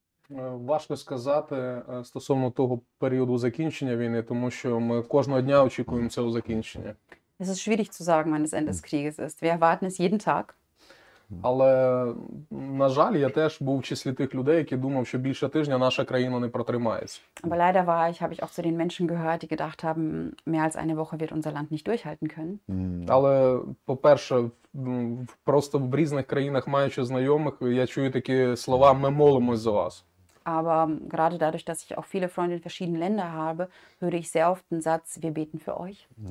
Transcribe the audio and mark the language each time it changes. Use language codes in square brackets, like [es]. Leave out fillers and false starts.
[uk] Важко сказати стосовно того періоду закінчення війни, тому що ми кожного дня очікуємо цього закінчення. [de] Es ist schwierig zu sagen, wann das Ende des Krieges ist. Wir erwarten es jeden Tag. [uk] Але, на жаль, я теж був в числі тих людей, які думав, що більше тижня наша країна не протримається. [de] Aber leider war ich, habe ich auch zu den Menschen gehört, die gedacht haben, mehr als eine Woche wird unser Land nicht durchhalten können. [uk] Але, по-перше, просто в різних країнах, маючи знайомих, я чую такі слова «ми молимось за вас». [de] Aber gerade dadurch, dass ich auch viele Freunde in verschiedenen Ländern habe, höre ich sehr oft den Satz, wir beten für euch.